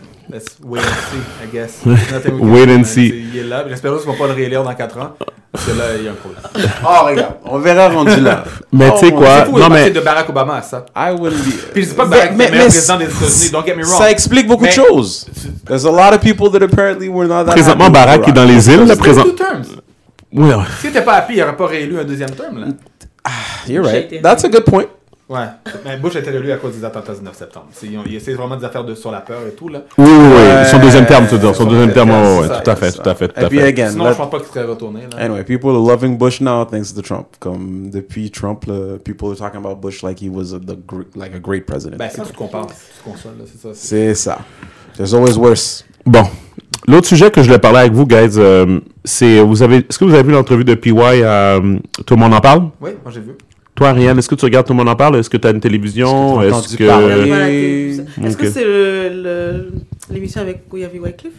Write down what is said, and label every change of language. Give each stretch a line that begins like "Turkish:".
English: Let's wait and see, I guess. Wait and see.
French: Il est là. J'espère qu'ils ne vont pas le réélire dans 4 ans. Parce que là, il y a un problème. Oh, regarde. On verra rendu là. Mais tu sais quoi? Non, mais... de Barack Obama à ça.
English: I will be...
French: Puis je ne dis pas Barack Obama, mais président des États-Unis.
English: Don't get me wrong.
French: Ça explique beaucoup de choses.
English: There's a lot of people that apparently were not that
French: présentement, Barack est dans les îles. Là, présent.
English: Two terms.
French: Oui. Si tu n'étais pas happy, il n'aurait pas réélu un deuxième terme, là.
English: Ah, you're right. That's a good point.
French: Ouais, mais Bush a été relu à cause des attentats du 9 septembre. Il essaie vraiment des affaires sur la peur et tout, là. Oui, oui, oui. Son deuxième terme, tu veux dire. Son deuxième terme, tout à fait. Sinon, je pense pas qu'il serait retourné, là.
English: Anyway, people are loving Bush now thanks to Trump. Comme depuis Trump, là, people are talking about Bush like he was a great president.
French: Ben, si tu te compares, tu te consoles, là, c'est ça.
English: C'est ça. There's always worse.
French: Bon. L'autre sujet que je voulais parler avec vous, guys, c'est est-ce que vous avez vu l'entrevue de PY à Tout le monde en parle? Oui, moi j'ai vu. Toi, Ariane, est-ce que tu regardes Tout le monde en parle? Est-ce que tu as une télévision? Est-ce que c'est l'émission avec où il y avait Wycliffe?